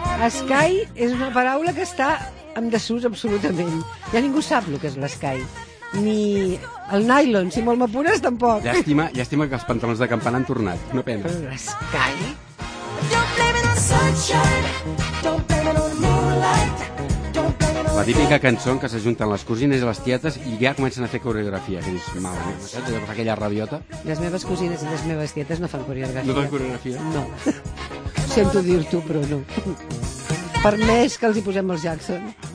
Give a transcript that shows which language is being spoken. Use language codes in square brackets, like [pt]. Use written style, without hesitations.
[ca] Sky és una paraula que està en desús absolutament. Ja ningú sap el que és l'Sky. Ni el nylon, si molt m'apures, tampoc. Llàstima que els pantalons de campana han tornat. Una pena. Però l'Sky? [en] Don't blame it on sunshine. Don't blame it on moonlight. [ca] La típica cançó en què s'ajunten les cosines i les tietes i ja comencen a fer coreografia. Que és malament, no saps? Allò que fa aquella rabiota. Les meves cosines i les meves tietes no fan coreografia. No fan coreografia? No. Sento dir-t'ho, però no. Per més que els hi posem els Jackson.